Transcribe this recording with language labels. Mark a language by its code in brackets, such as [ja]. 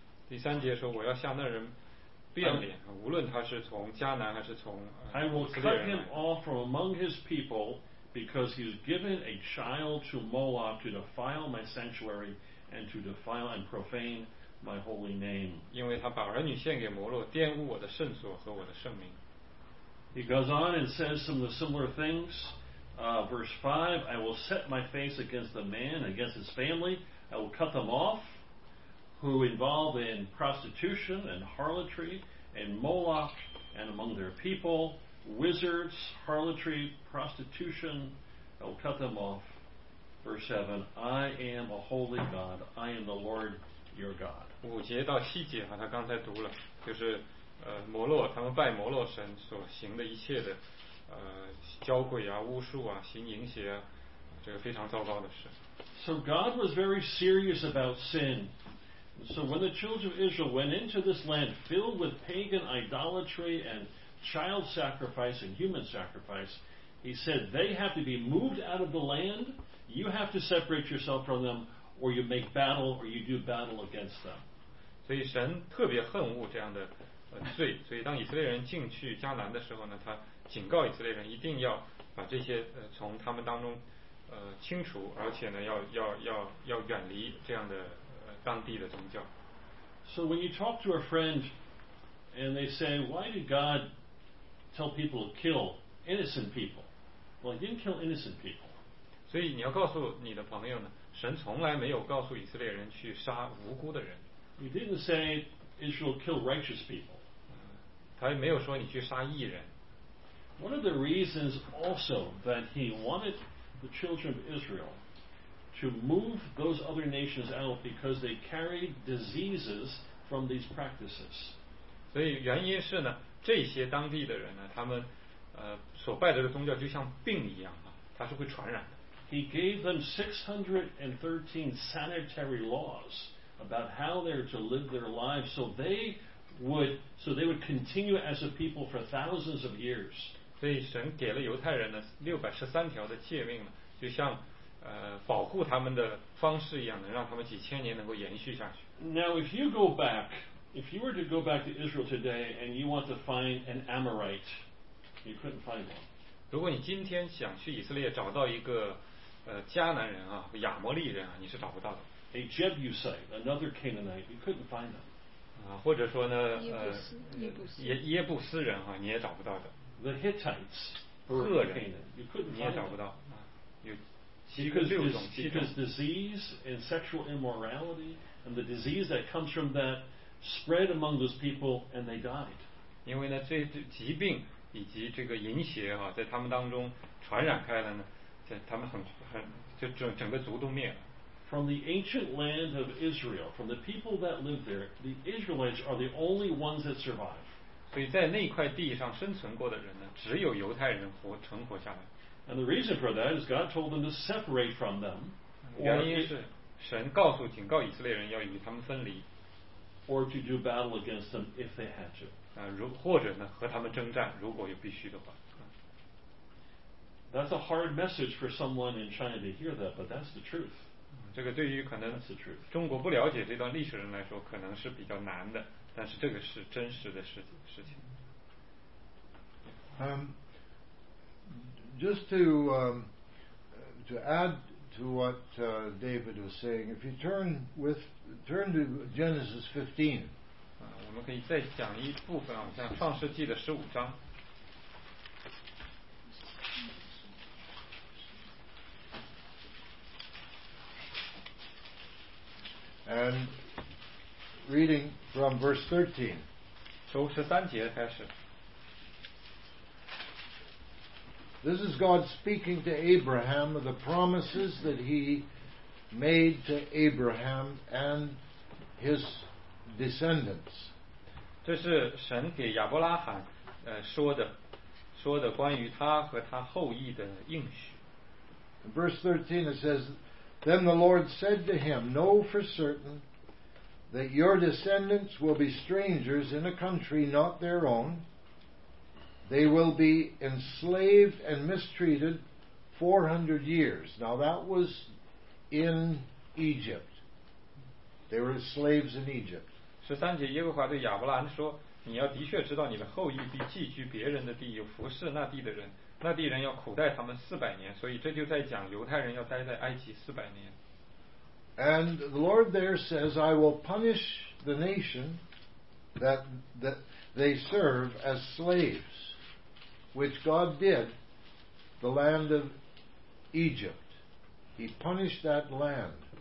[zh] 第三节说我要向那人变脸，无论他是从迦南还是从。 [en] I will cut him off from among his people because he's given a child to Moab to defile my sanctuary and to defile and profane my holy name. [zh] 因为他把儿女献给摩洛，玷污我的圣所和我的圣名。 [en] He goes on and says some of the similar things. Verse 5, I will set my face against the man, against his family. I will cut them off, who involve in prostitution and harlotry and Moloch and among their people, wizards, harlotry, prostitution. I will cut them off. Verse 7, I am a holy God. I am the Lord your God. [zh] 五节到七节啊，他刚才读了，就是摩洛他们拜摩洛神所行的一切的。交鬼啊，巫术啊，行淫邪啊，这个非常糟糕的事。 [en] So God was very serious about sin. So when the children of Israel went into this land filled with pagan idolatry and child sacrifice and human sacrifice, he said they have to be moved out of the land. You have to separate yourself from them, or you make battle, or you do battle against them. [zh] 所以神特别恨恶这样的罪，所以当以色列人进去迦南的时候呢，他警告以色列人一定要把这些从他们当中清除，而且呢要远离这样的当地的宗教。 [en] So when you talk to a friend and they say, why did God tell people to kill innocent people? Well, he didn't kill innocent people. [zh] 所以你要告诉你的朋友呢，神从来没有告诉以色列人去杀无辜的人。 [en] He didn't say Israel kill righteous people. [zh] 他没有说你去杀义人。 [en] One of the reasons also that he wanted the children of Israel to move those other nations out because they carried diseases from these practices. [zh] 所以原因是呢，这些当地的人呢，他们所拜的宗教就像病一样啊，它是会传染的。 [en] He gave them 613 sanitary laws about how they're to live their lives, so they would continue as a people for thousands of years. [zh] 所以神给了犹太人呢613条的诫命呢，就像保护他们的方式一样，能让他们几千年能够延续下去。 [en] Now, if you were to go back to Israel today and you want to find an Amorite, you couldn't find one. [zh] 如果你今天想去以色列找到一个迦南人啊，亚摩利人啊，你是找不到的。 [en] A Jebusite, another Canaanite, you couldn't find them. [zh] 或者说呢，耶布斯人啊，你也找不到的。 [en] The Hittites, [zh] 赫人 [en] Canaan, you couldn't find them. [zh] 你也找不到。 [en] Because disease and sexual immorality and the disease that comes from that spread among those people and they died. [zh] 因为呢，这疾病以及这个淫邪啊，在他们当中传染开了呢，在他们很就整个族都灭了。 [en] From the ancient land of Israel, from the people that lived there, the Israelites are the only ones that survive. [zh] 所以在那块地上生存过的人呢，只有犹太人存活下来。 [en] And the reason for that is God told them to separate from them. [zh] 原因是神告诉警告以色列人要与他们分离。 [en] Or to do battle against them if they had to. [zh] 或者呢和他们征战，如果有必须的话。 [en] That's a hard message for someone in China to hear that, but that's the truth. [zh] 这个对于可能中国不了解这段历史人来说，可能是比较难的，但是这个是真实的事情。 [en] Just to add to what David was saying, if you turn to Genesis 15, [zh] 我们可以再讲一部分啊，像创世纪的十五章。 [en] And reading from verse 13, [zh] 从十三节开始。 [en] This is God speaking to Abraham of the promises that he made to Abraham and his descendants. [zh] 这是神给亚伯拉罕说的关于他和他后裔的应许。 [en] Verse 13 it says, Then the Lord said to him, Know for certain that your descendants will be strangers in a country not their own, They will be enslaved and mistreated 400 years. Now that was in Egypt. They were slaves in Egypt. [zh] 十三节，耶和华对亚伯兰说：“你要的确知道，你的后裔必寄居别人的地，又服侍那地的人。那地人要苦待他们400年。所以这就在讲犹太人要待在埃及400年。” [en] And the Lord there says, "I will punish the nation that they serve as slaves." Which God did, the land of Egypt. He punished that land.